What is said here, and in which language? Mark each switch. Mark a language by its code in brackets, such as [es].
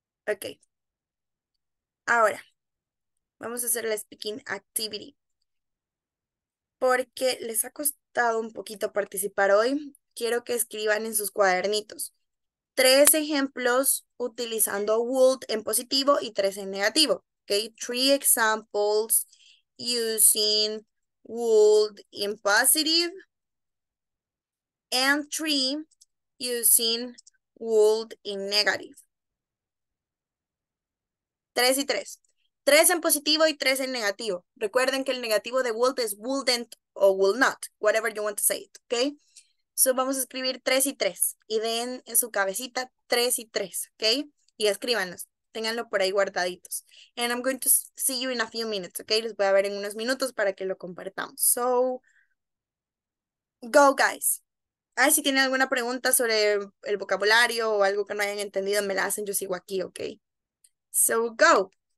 [es] Okay. Ahora, vamos a hacer la speaking activity, porque les ha costado un poquito participar hoy, quiero que escriban en sus cuadernitos. tres ejemplos utilizando would en positivo y tres en negativo. [en] Okay, three examples using would in positive and three using would in negative. [es] Tres y tres. Tres en positivo y tres en negativo. Recuerden que el negativo de would es wouldn't o will not, [en] whatever you want to say it, [es] okay? So vamos a escribir tres y tres. Y den en su cabecita tres y tres, okay? Y escríbanlos. Ténganlo por ahí guardaditos. [en] And I'm going to see you in a few minutes, okay? [es] Les voy a ver en unos minutos para que lo compartamos. [en] So, go guys. [es] Ah, si tienen alguna pregunta sobre el vocabulario o algo que no hayan entendido, me la hacen, yo sigo aquí, okay? [en] So, go.